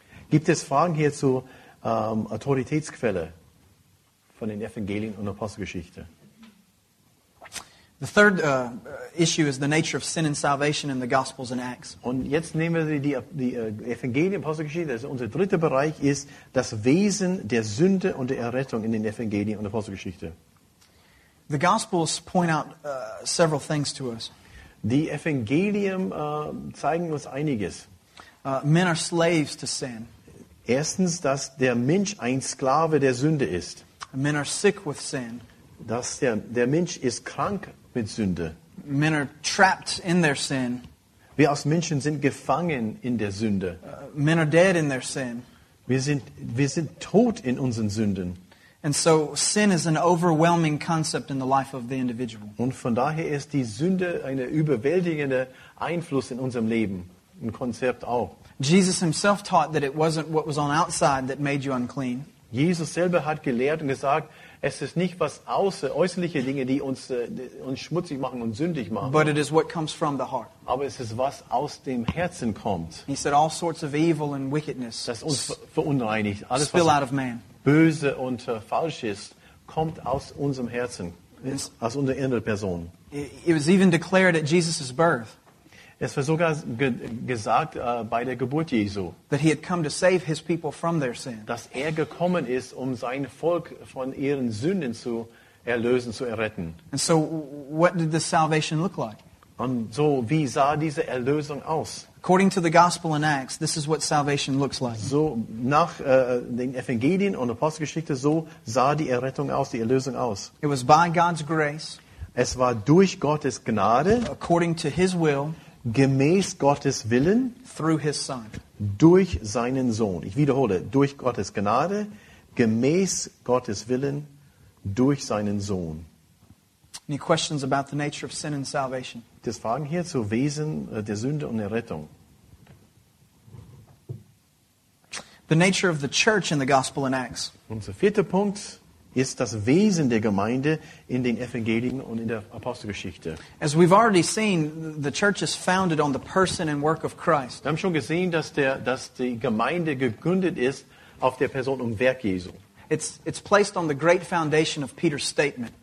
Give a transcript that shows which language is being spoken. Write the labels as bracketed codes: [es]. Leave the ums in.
[de] Gibt es Fragen hier zur ähm, Autoritätsquelle von den Evangelien und Apostelgeschichte. [en] The third uh, issue is the nature of sin and salvation in the Gospels and Acts. [de] Und jetzt nehmen wir die, die uh, unser dritter Bereich ist das Wesen der Sünde und der Errettung in den Evangelien und Apostelgeschichte. [en] The Gospels point out uh, several things to us. [de] Die Evangelien uh, zeigen uns einiges. [en] Uh, men are slaves to sin. [de] Erstens, dass der Mensch ein Sklave der Sünde ist. [en] And men are sick with sin. [de] Dass der, der Mensch ist krank [en] Men are trapped in their sin. [de] Wir als Menschen sind gefangen in der Sünde. [en] men are dead in their sin. [de] Wir sind wir sind tot in unseren Sünden. [en] And so sin is an overwhelming concept in the life of the individual. [de] Und von daher ist die Sünde eine überwältigende Einfluss in unserem Leben, ein Konzept auch. [en] Jesus himself taught that it wasn't what was on outside that made you unclean. [de] Jesus selber hat gelehrt und gesagt, Es ist nicht was außer äußerliche Dinge, die uns äh, uh, uns schmutzig machen, machen [en] But it is what comes from the heart. [de] Aber es ist was aus dem Herzen kommt. [en] He said all sorts of evil and wickedness. [de] Das uns verunreinigt. Alles [en] spill was out of man. [de] böse und uh, falsch ist, kommt aus unserem Herzen, it's, aus unserer inneren Person. [en] It was even declared at Jesus' birth. [de] Es war sogar ge gesagt uh, bei der Geburt Jesu. [en] that he had come to save his people from their sin. [de] dass er gekommen ist, um sein Volk von ihren Sünden zu erlösen, zu erretten. [en] And so, what did this salvation look like? [de] Und so, wie sah diese Erlösung aus? [en] According to the Gospel and Acts, this is what salvation looks like. [de] So nach uh, den Evangelien und Apostelgeschichte so sah die Errettung aus, die Erlösung aus. [en] It was by God's grace. [de] Es war durch Gottes Gnade. [en] According to His will. [de] gemäß Gottes Willen durch seinen Sohn. Ich wiederhole, durch Gottes Gnade, gemäß Gottes Willen durch seinen Sohn. [en] Any questions about the nature of sin and salvation? [de] Das Fragen hier zu Wesen der Sünde und der Rettung. [en] The nature of the church in the gospel in Acts. [de] Unser vierter Punkt ist das Wesen der Gemeinde in den Evangelien und in der Apostelgeschichte. Seen, wir haben schon gesehen, dass, der, dass die Gemeinde gegründet ist auf der Person und Werk Jesu. [en] It's it's placed on the great foundation of Peter's statement.